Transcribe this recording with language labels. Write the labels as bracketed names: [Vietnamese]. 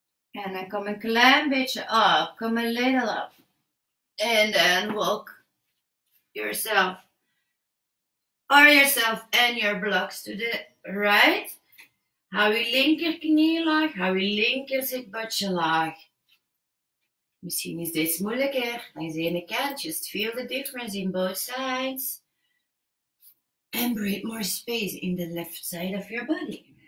[Dutch] En dan kom een klein beetje op, kom een [English] little up. [Dutch] En dan [English] walk yourself, or yourself and your blocks to the right. [Dutch] Hou je linker knie laag, hou je linker zitbotje laag. Misschien is dit moeilijker, is de ene kant. [English] Just feel the difference in both sides. And breathe more space in the left side of your body.